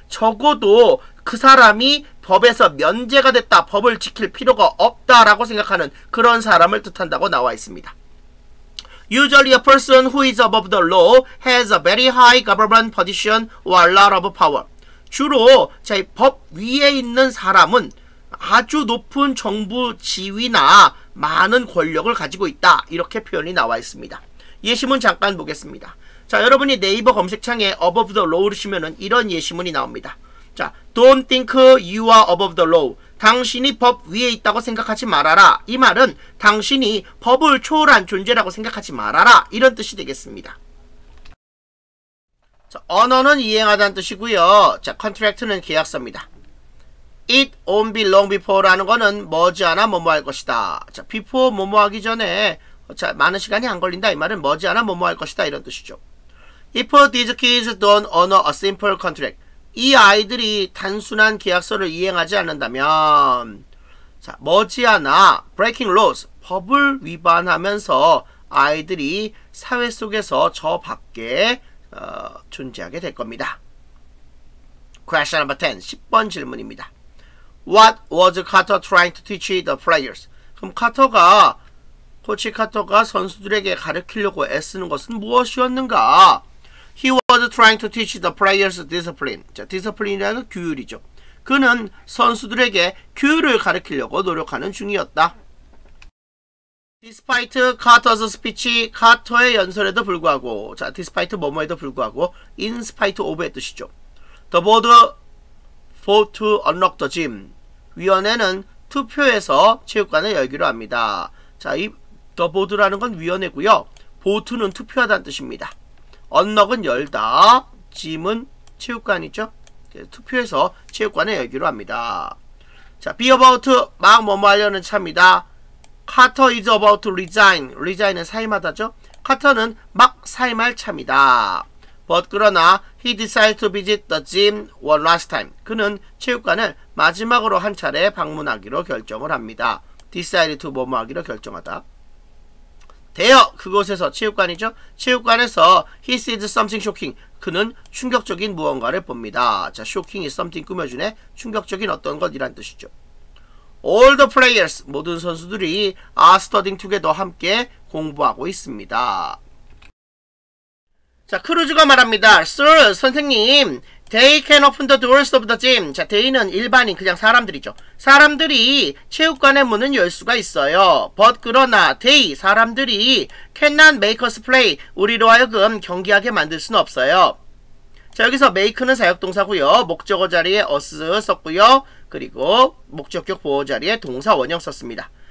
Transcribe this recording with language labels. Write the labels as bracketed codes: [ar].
[ko] 적어도 그 사람이 법에서 면제가 됐다, 법을 지킬 필요가 없다라고 생각하는 그런 사람을 뜻한다고 나와 있습니다. [en] Usually a person who is above the law has a very high government position or a lot of power. [ko] 주로 법 위에 있는 사람은 아주 높은 정부 지위나 많은 권력을 가지고 있다. 이렇게 표현이 나와 있습니다. 예시문 잠깐 보겠습니다. 자, 여러분이 네이버 검색창에 [en] above the law [ko] 를 치면은 이런 예시문이 나옵니다. [en] 자, don't think you are above the law. [ko] 당신이 법 위에 있다고 생각하지 말아라. 이 말은 당신이 법을 초월한 존재라고 생각하지 말아라. 이런 뜻이 되겠습니다. 자, 언어는 이행하다는 뜻이고요. 자, contract는 계약서입니다. [en] It won't be long before [ko] 라는 거는 머지않아 뭐뭐할 것이다. 자, before 뭐뭐하기 전에 자, 많은 시간이 안 걸린다. 이 말은 머지않아 뭐뭐할 것이다. 이런 뜻이죠. [en] If these kids don't honor a simple contract. [ko] 이 아이들이 단순한 계약서를 이행하지 않는다면 자, 머지않아 [en] breaking laws, [ko] 법을 위반하면서 아이들이 사회 속에서 저 밖에 존재하게 될 겁니다. [en] Question number 10, [ko] 10번 질문입니다. [en] What was Carter trying to teach the players? [ko] 그럼 카터가 코치 카터가 선수들에게 가르치려고 애쓰는 것은 무엇이었는가? [en] He was trying to teach the players discipline. [ko] 자, discipline이라는 규율이죠. 그는 선수들에게 규율을 가르치려고 노력하는 중이었다. [en] Despite Carter's speech, [ko] 카터의 연설에도 불구하고, 자, despite 뭐뭐에도 불구하고, [en] in spite of [ko] 의 뜻이죠. [en] The board fought to unlock the gym. [ko] 위원회는 투표해서 체육관을 열기로 합니다. 자, 이 [en] the board [ko] 라는 건 위원회고요. vote는 투표하다는 뜻입니다. 언럭은 열다, 짐은 체육관이죠. 투표해서 체육관에 열기로 합니다. 자, [en] be about, [ko] 막 뭐뭐 하려는 차입니다. [en] Carter is about to resign. [ko] resign은 사임하다죠. Carter는 막 사임할 차입니다. [en] But [ko] 그러나, [en] he decided to visit the gym one last time. [ko] 그는 체육관을 마지막으로 한 차례 방문하기로 결정을 합니다. [en] decided to [ko] 뭐뭐 하기로 결정하다. 대여 그곳에서 체육관이죠. 체육관에서 [en] he sees something shocking. [ko] 그는 충격적인 무언가를 봅니다. 자, [en] shocking is something [ko] 꾸며주네. 충격적인 어떤 것이란 뜻이죠. [en] All the players, [ko] 모든 선수들이 [en] are studying together, [ko] 함께 공부하고 있습니다. 자, 크루즈가 말합니다. [en] Sir, [ko] 선생님, [en] they can open the doors of the gym. [ko] 자, they는 일반인, 그냥 사람들이죠. 사람들이 체육관의 문은 열 수가 있어요. [en] But [ko] 그러나 [en] they, [ko] 사람들이 [en] cannot make us play. [ko] 우리로 하여금 경기하게 만들 수는 없어요. 자, 여기서 make는 사역동사고요. 목적어 자리에 us 썼고요. 그리고 목적격 보호 자리에 동사 원형 썼습니다.